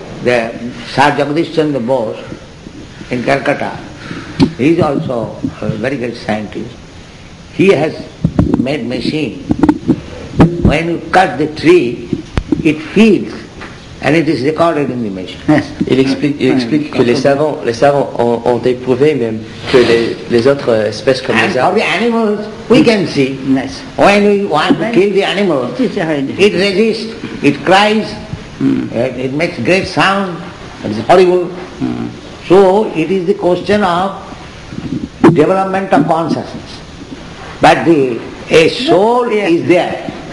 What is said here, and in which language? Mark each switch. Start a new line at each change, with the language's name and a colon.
English: The Sir Jagdish Chandra Bose in Calcutta, he is also a very good scientist. He has made machine. When you cut the tree, it feels, and it is recorded in the machine. Yes.
French: Il explique que les savants ont éprouvé même que les autres espèces comme
English: and And the animals, we can see. Yes. When we want to kill the animal, it resists. It cries. Mm. It makes great sound. It is horrible. Mm. So it is the question of development of consciousness. But a soul is there.